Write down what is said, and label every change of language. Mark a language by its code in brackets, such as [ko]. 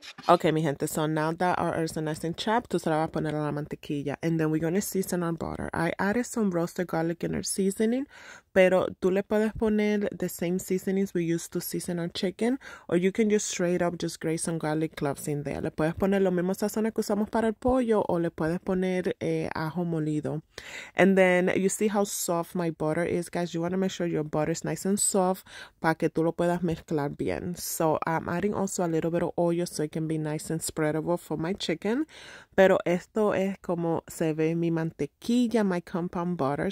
[en] Okay, [es] mi gente, [en] so now that our herbs are nice and chopped, [es] tú se la vas a poner a la mantequilla. [en] And then we're going to season our butter. I added some roasted garlic in our seasoning, [es] pero tú le puedes poner [en] the same seasonings we used to season our chicken, or you can just straight up just grate some garlic cloves in there. [es] Le puedes poner los mismos sazones que usamos para el pollo, o le puedes poner ajo molido. [en] And then you see how soft my butter is, guys. You want to make sure your butter is nice and soft [es] para que tú lo puedas mezclar bien. [en] So I'm adding also a little bit of oil so it can be nice and spreadable for my chicken. [es] Pero esto es como se ve mi mantequilla, [en] my compound butter.